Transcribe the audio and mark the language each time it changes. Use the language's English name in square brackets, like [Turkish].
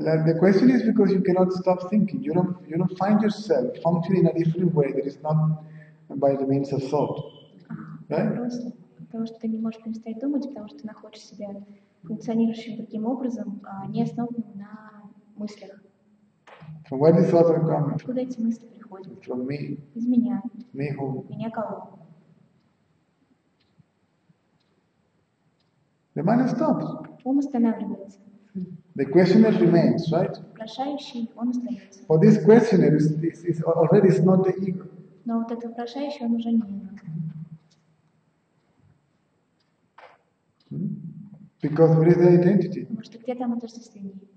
[English] The question is because you cannot stop thinking. You don't find yourself functioning in a different way that is not by the means of thought. [Russian] Просто потому что ты не можешь перестать думать, потому что ты находишь себя функционирующим таким образом, не основанным на мыслях. [English] From where the thoughts are coming? [Russian] Откуда эти мысли приходят? [English] From me. [Russian] Из меня. [English] Me who? [Russian] Меня кого? [English] The mind stops. [Russian] Ум останавливается. [English] The questioner remains, right? [Russian] Вопрошающий, он остается. [English] For this questioner, this is already is not the ego. [Russian] Но вот этот вопрошающий, он уже не ego. [English] Because where is the identity? [Russian] Потому что где там отождествление?